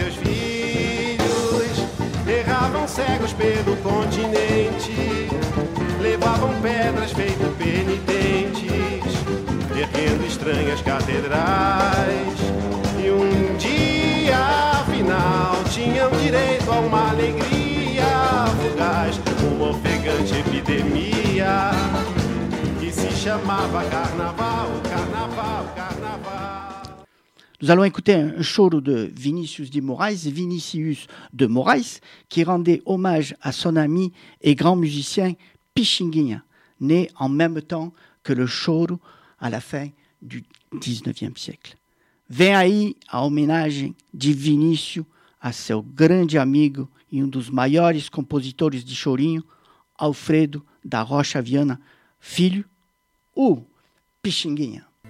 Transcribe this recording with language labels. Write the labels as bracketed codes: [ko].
[pt] Seus filhos erravam cegos pelo continente, levavam pedras feito penitentes, erguendo estranhas catedrais. E um dia, afinal, tinham direito a uma alegria fugaz, uma ofegante epidemia que se chamava Carnaval, Carnaval, Carnaval. [fr] Nous allons écouter un choro de Vinicius de Moraes, Vinicius de Moraes, qui rendait hommage à son ami et grand musicien Pixinguinha, né en même temps que le choro à la fin du 19e siècle. [pt] Vem aí a homenagem de Vinícius a seu grande amigo e um dos maiores compositores de chorinho, Alfredo da Rocha Viana, filho, o Pixinguinha.